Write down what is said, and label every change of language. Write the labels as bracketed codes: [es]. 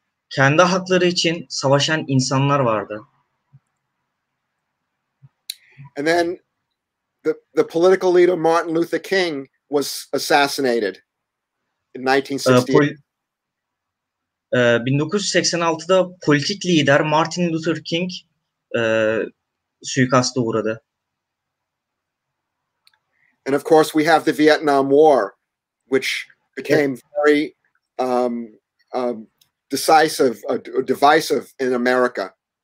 [tr] Kendi hakları için savaşan insanlar vardı. [en] And then the political leader Martin Luther King was assassinated in 1968. [tr] 1986'da politik lider Martin Luther King suikasta uğradı. [en] And of course we have the Vietnam War, which became very decisive, divisive in America.